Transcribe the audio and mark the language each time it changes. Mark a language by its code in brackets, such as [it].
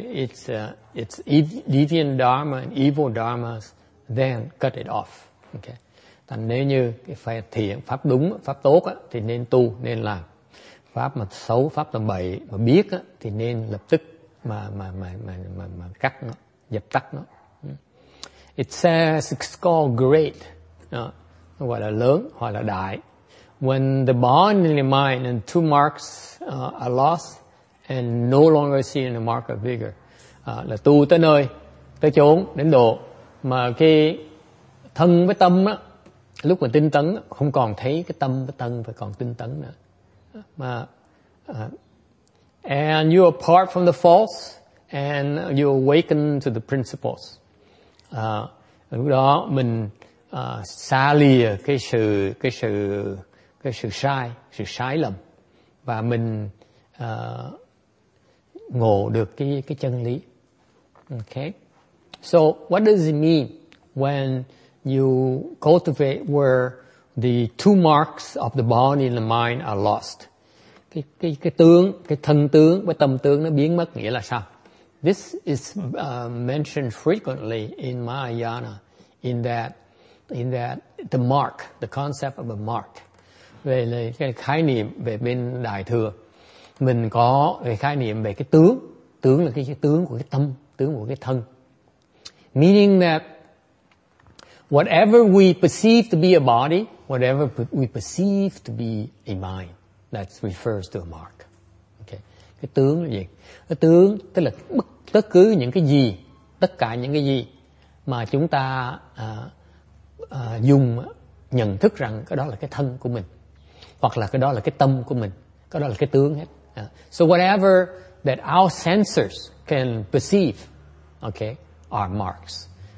[en] It's deviant dharma and evil dharmas, then cut it off. Okay. [vi] Thành nếu như phải thiện pháp đúng pháp tốt á, thì nên tu nên làm. Pháp mà xấu pháp tầm bậy mà biết á, thì nên lập tức mà cắt nó, dập tắt nó. [en] It says it's called great. [vi] Nó gọi là lớn hoặc là đại. [en] When the bond in the mind and two marks are lost and no longer seen the mark of vigor. [vi] Là tu tới nơi, tới chốn, đến độ. Mà cái thân với tâm á, lúc mà tinh tấn, không còn thấy cái tâm với thân phải còn tinh tấn nữa. [en] And you are apart from the false and you awaken to the principles. [vi] Lúc đó mình xa lìa cái sự sai lầm và mình ngộ được cái chân lý. Okay. [en] So what does it mean when you cultivate where the two marks of the body and the mind are lost? [vi] Cái tướng, cái thân tướng với tâm tướng nó biến mất nghĩa là sao? [en] This is mentioned frequently in Mahayana in that the mark, the concept of a mark. [vi] Về cái khái niệm về bên Đại Thừa, mình có cái khái niệm về cái tướng. Tướng là cái tướng của cái tâm, tướng của cái thân. [en] Meaning that whatever we perceive to be a body, whatever we perceive to be a mind, that refers to a mark. Okay. [vi] Cái tướng là gì? Cái tướng tức là tất cứ những cái gì, tất cả những cái gì mà chúng ta dùng nhận thức rằng cái đó là cái thân của mình, hoặc là cái đó là cái tâm của mình, cái đó là cái tướng hết. [en] So whatever that our senses can perceive, okay, are marks.